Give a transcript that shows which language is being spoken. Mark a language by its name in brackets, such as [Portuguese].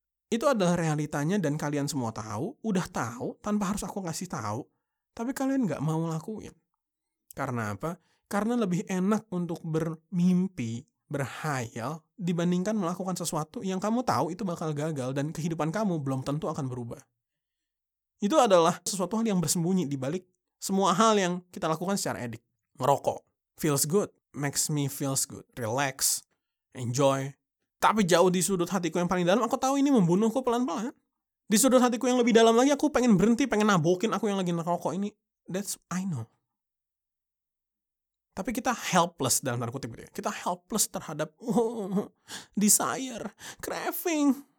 [Indonesian] Itu adalah realitanya dan kalian semua tahu, udah tahu tanpa harus aku ngasih tahu, tapi kalian gak mau lakuin. Karena apa? Karena lebih enak untuk bermimpi, berhayal, dibandingkan melakukan sesuatu yang kamu tahu itu bakal gagal dan kehidupan kamu belum tentu akan berubah. Itu adalah sesuatu hal yang bersembunyi di balik semua hal yang kita lakukan secara edik. [English] Ngerokok, feels good, makes me feels good, relax, enjoy. [Indonesian] Tapi jauh di sudut hatiku yang paling dalam, aku tahu ini membunuhku pelan-pelan. Di sudut hatiku yang lebih dalam lagi, aku pengen berhenti, pengen nabokin aku yang lagi ngerokok ini. [English] That's, I know. [Indonesian] Tapi kita helpless dalam tanda kutip gitu ya. Kita helpless terhadap desire, craving.